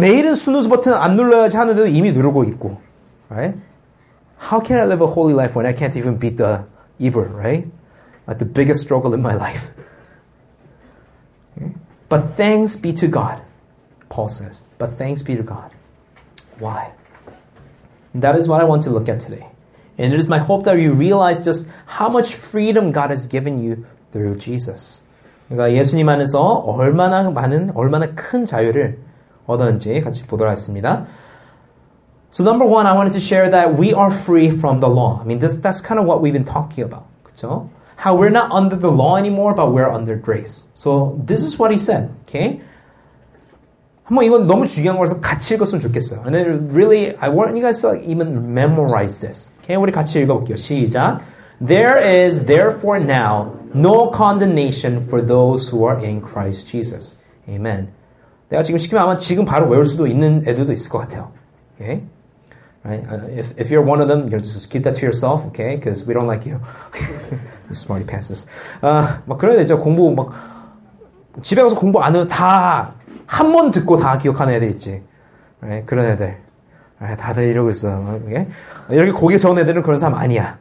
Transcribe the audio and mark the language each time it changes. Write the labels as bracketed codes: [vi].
[ko] 내일은 스누즈 버튼 안 눌러야지 하는데도 이미 누르고 있고. [en] Right? How can I live a holy life when I can't even beat the Uber? Right? Like the biggest struggle in my life. But thanks be to God, Paul says. But thanks be to God. Why? That is what I want to look at today. And it is my hope that you realize just how much freedom God has given you through Jesus. [ko] 그러니까 예수님 안에서 얼마나 많은, 얼마나 큰 자유를 얻었는지 같이 보도록 하겠습니다. [en] So number one, I wanted to share that we are free from the law. I mean, that's kind of what we've been talking about. [ko] 그쵸? [en] How we're not under the law anymore, but we're under grace. So this is what he said, okay? [ko] 한번 이건 너무 중요한 거라서 같이 읽었으면 좋겠어요. [en] And then really, I want you guys to even memorize this. Okay, [ko] 우리 같이 읽어볼게요. 시작! [en] There is therefore now no condemnation for those who are in Christ Jesus. Amen. [ko] 내가 지금 시키면 아마 지금 바로 외울 수도 있는 애들도 있을 것 같아요. [en] Okay? Right? If you're one of them, you just keep that to yourself, okay? Because we don't like you. You smarty pants. [ko] 막 그런 애들 공부 막 집에 가서 공부 안 해도 다 한 번 듣고 다 기억하는 애들 있지. Right? 그런 애들. Right? 다들 이러고 있어. Okay? 이렇게 고개 저은 애들은 그런 사람 아니야.